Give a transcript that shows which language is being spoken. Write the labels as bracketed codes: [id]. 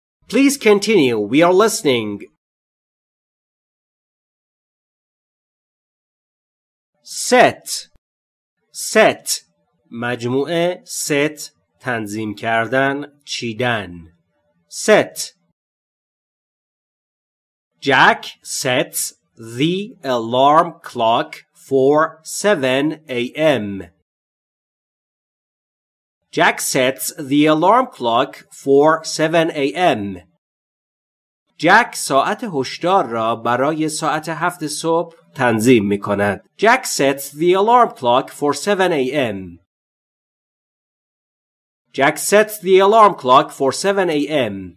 [en] Please continue. We are listening. Set. [fa] مجموعه set تنظیم کردن چیدن. [en] Set. Jack sets the alarm clock for 7 a.m. Jack sets the alarm clock for 7 a.m. [fa] Jack ساعت هشدار را برای ساعت 7 صبح تنظیم می کند. [en] Jack sets the alarm clock for 7 a.m. Jack sets the alarm clock for 7 a.m.